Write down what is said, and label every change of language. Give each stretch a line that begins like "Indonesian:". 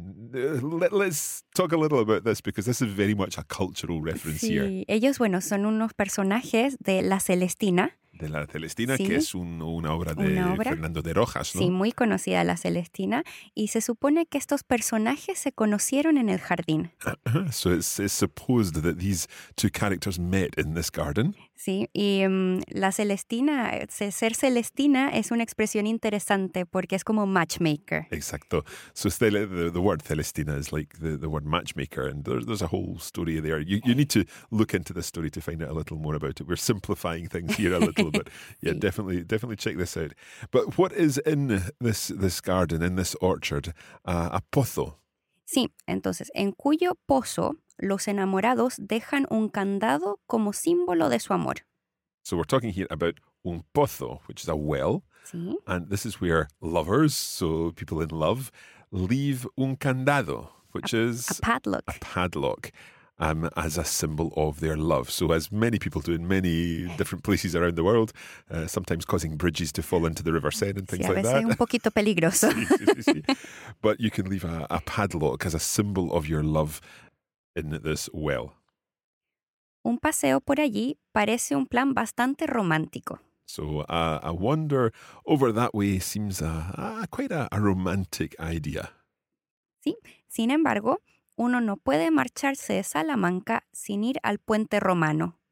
English: Let's talk a little about this, because this is very much a cultural reference here.
Spanish: Ellos, bueno, son unos personajes de La Celestina. De La Celestina, sí. Que es una obra de una obra. Fernando de Rojas, ¿no? Sí, muy conocida La Celestina. Y se supone que estos personajes se conocieron en el jardín.
English: So it's supposed that these two characters met in this garden.
Spanish: Sí, y la Celestina, ser Celestina es una expresión interesante porque es como matchmaker. Exacto.
English: So the word Celestina is like the word matchmaker, and there's a whole story there. You need to look into the story to find out a little more about it. We're simplifying things here a little, but yeah, sí. definitely check this out. But what is in this garden, in this orchard, a pozo?
Spanish: Sí, entonces, en cuyo pozo los enamorados dejan un candado como símbolo de su amor.
English: So we're talking here about
Spanish: un pozo,
English: which is a well.
Spanish: Sí.
English: And this is where lovers, so people in love, leave
Spanish: un candado,
English: which is a padlock. A padlock, as a symbol of their love. So as many people do in many different places around the world, sometimes causing bridges to fall into the River Seine and things
Spanish: sí,
English: like that.
Spanish: Un poquito peligroso. Sí, sí, sí, sí.
English: But you can leave a padlock as a symbol of your love in this well.
Spanish: Un paseo por allí parece un plan bastante romántico.
English: So a wander over that way seems quite a romantic idea.
Spanish: Sí, sin embargo, uno no puede marcharse de Salamanca sin ir al puente romano.